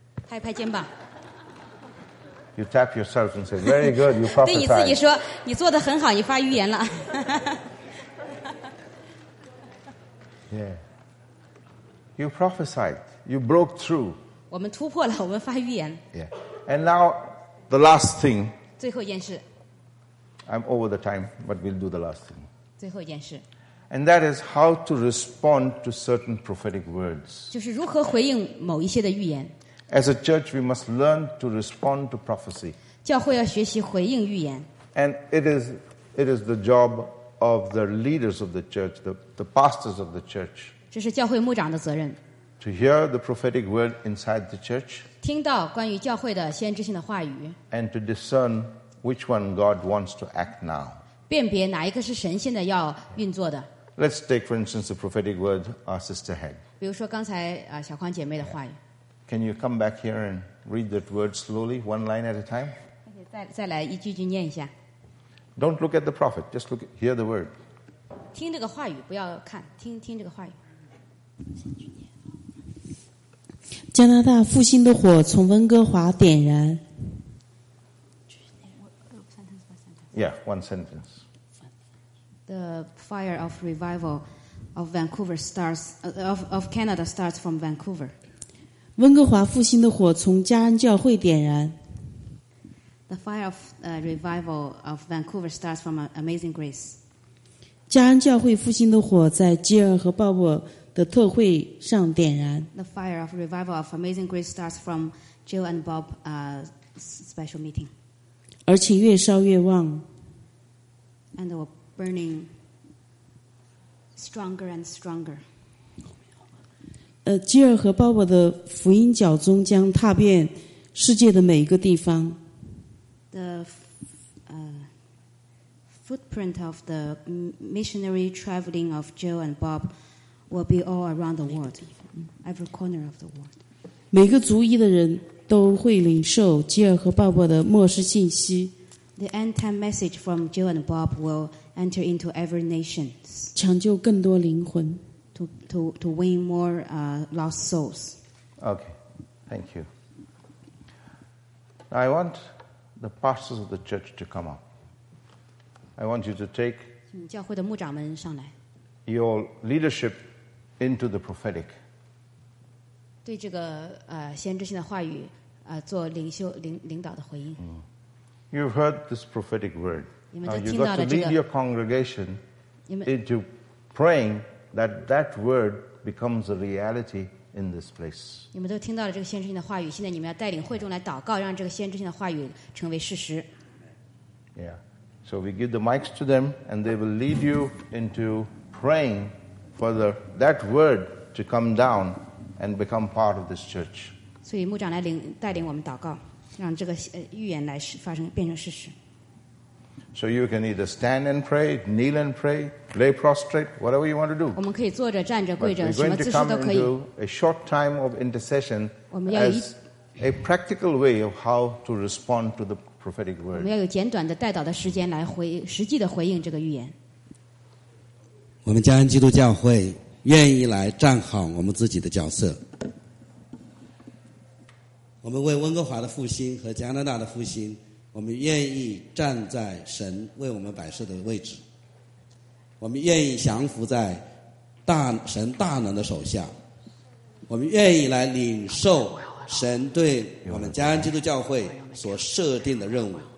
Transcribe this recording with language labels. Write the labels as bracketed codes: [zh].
[zh] 拍拍肩膀。 [en] You tap yourself and say, "Very good, you prophesied." [zh] 对你自己说，你做得很好，你发预言了。 [en] Yeah. You prophesied. You broke through. [zh] 我们突破了，我们发预言。 [en] Yeah. And now the last thing. [zh] 最后一件事。 [en] I'm over the time, but we'll do the last thing. [zh] 最后一件事。 [en] And that is how to respond to certain prophetic words. [zh] 就是如何回应某一些的预言。 [en] As a church, we must learn to respond to prophecy. [zh] 教会要学习回应预言。 [en] And it is the job of the leaders of the church, the pastors of the church. [zh] 这是教会牧长的责任。 [en] To hear the prophetic word inside the church. [zh] 听到关于教会的先知性的话语。 [en] And to discern which one God wants to act now. [zh] 辨别哪一个是神现在要运作的。 [en] Let's take, for instance, the prophetic word our sister had. [zh] 比如说刚才小匡姐妹的话语。 [en] Can you come back here and read that word slowly, one line at a time? [zh] 再来一句句念一下。 [en] Don't look at the prophet, just look, hear the word. [zh] 听这个话语，不要看，听这个话语。加拿大复兴的火从温哥华点燃。 [en] Yeah, one sentence. The fire of revival of Vancouver starts, of Canada starts from Vancouver. [zh] 温哥华复兴的火从加恩教会点燃。 [en] The fire of revival of Vancouver starts from Amazing Grace. [zh] 加恩教会复兴的火在基尔和鲍勃的特会上点燃。 [en] The fire of revival of Amazing Grace starts from Jill and Bob's special meeting. [zh] 而且越烧越旺。 [en] And we're burning stronger and stronger. [zh] 基尔和鲍勃的福音脚踪将踏遍世界的每一个地方。 [en] The footprint of the missionary traveling of Joe and Bob will be all around the world, every corner of the world. [zh] 每个族裔的人都会领受基尔和鲍勃的末世信息。 [en] The end-time message from Jill and Bob will enter into every nation. [zh] 抢救更多灵魂。 [en] To win more lost souls. Okay, thank you. I want the pastors of the church to come up. I want you to take [zh] 请教会的牧长们上来。 [en] Your leadership into the prophetic. [zh] 对这个先知性的话语做领袖领导的回应。 [en] You've heard this prophetic word. Now you've got to lead your congregation into praying that that word becomes a reality in this place. [zh] 你们都听到了这个先知性的话语，现在你们要带领会众来祷告，让这个先知性的话语成为事实。 [en] Yeah. So we give the mics to them, and they will lead you into praying for that word to come down and become part of this church. [zh] 所以牧长来带领我们祷告，让这个预言来发生变成事实。 [en] So you can either stand and pray, kneel and pray, lay prostrate, whatever you want to do. [zh] 我们可以坐着、站着、跪着，什么姿势都可以。 [en] But we're going to come into a short time of intercession as a practical way of how to respond to the prophetic word. [zh] 我们要有简短的代祷的时间来回实际的回应这个预言。我们加恩基督教会愿意来站好我们自己的角色。我们为温哥华的复兴和加拿大的复兴。我们愿意站在神为我们摆设的位置，我们愿意降服在大神大能的手下，我们愿意来领受神对我们加恩基督教会所设定的任务。